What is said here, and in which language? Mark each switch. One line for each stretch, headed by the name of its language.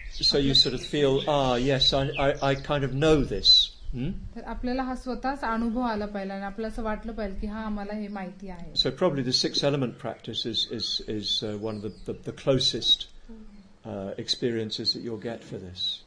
English: So you sort of feel, yes, I kind of know this.
Marathi: आपल्याला हा स्वतःच अनुभव आला पाहिजे आणि आपल्याला असं वाटलं पाहिजे की हा आम्हाला हे माहिती आहे.
English: So probably the six element practice is one of the closest experiences that you'll get for this.